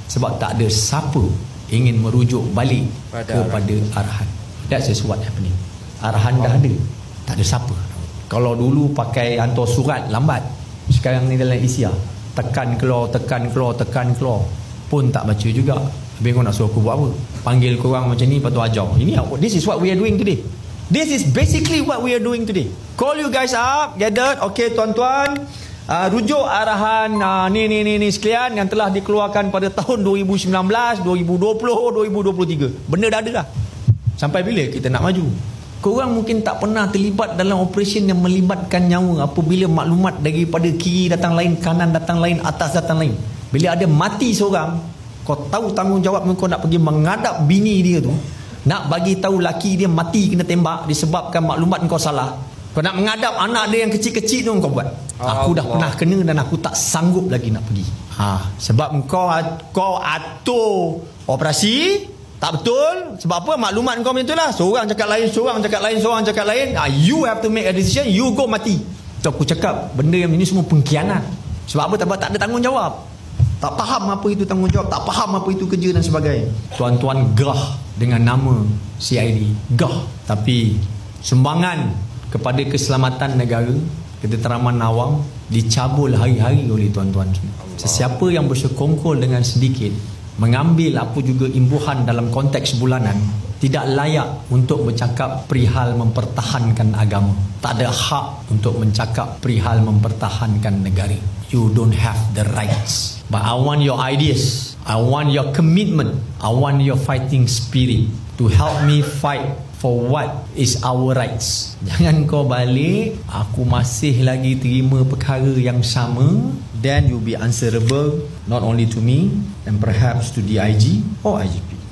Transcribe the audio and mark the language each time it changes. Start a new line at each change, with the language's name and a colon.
Malay: Sebab tak ada siapa ingin merujuk balik pada kepada arahan.
English: That's just what happening.
Malay: Arahan dah ada, tak ada siapa. Kalau dulu pakai hantar surat lambat, sekarang ni dalam isya, tekan keluar, tekan keluar, tekan keluar, pun tak baca juga. Habis kau nak suruh aku buat apa? Panggil korang macam ni, patut ajar.
English: Ini, this is what we are doing today. This is basically what we are doing today. Call you guys up, gathered.
Malay: Okay, tuan-tuan, rujuk arahan ni sekalian yang telah dikeluarkan pada tahun 2019, 2020, 2023. Benda dah ada lah. Sampai bila kita nak maju? Korang mungkin tak pernah terlibat dalam operation yang melibatkan nyawa apabila maklumat daripada kiri datang lain, kanan datang lain, atas datang lain. Bila ada mati seorang, kau tahu tanggungjawab kau nak pergi menghadap bini dia tu, nak bagi tahu laki dia mati kena tembak disebabkan maklumat kau salah. Kau nak menghadap anak dia yang kecil-kecil tu kau buat. Aku dah pernah kena dan aku tak sanggup lagi nak pergi. Ha, sebab kau atur operasi tak betul. Sebab apa? Maklumat kau macam itulah. Seorang cakap lain, seorang cakap lain, seorang cakap lain.
English: Ha, you have to make a decision, you go mati.
Malay: So, aku cakap benda yang ini semua pengkhianat. Sebab apa? Tak ada tanggungjawab. Tak faham apa itu tanggungjawab, tak faham apa itu kerja dan sebagainya. Tuan-tuan gah dengan nama CID, gah. Tapi sumbangan kepada keselamatan negara, keteteraman awam, dicabul hari-hari oleh tuan-tuan semua. Sesiapa yang bersekongkol dengan sedikit, mengambil apa juga imbuhan dalam konteks bulanan, tidak layak untuk bercakap perihal mempertahankan agama. Tak ada hak untuk mencakap perihal mempertahankan negara.
English: You don't have the rights. But I want your ideas. I want your commitment. I want your fighting spirit to help me fight for what is our rights.
Malay: Jangan kau balik, aku masih lagi terima perkara yang sama.
English: Then you'll be answerable not only to me and perhaps to DIG or IGP.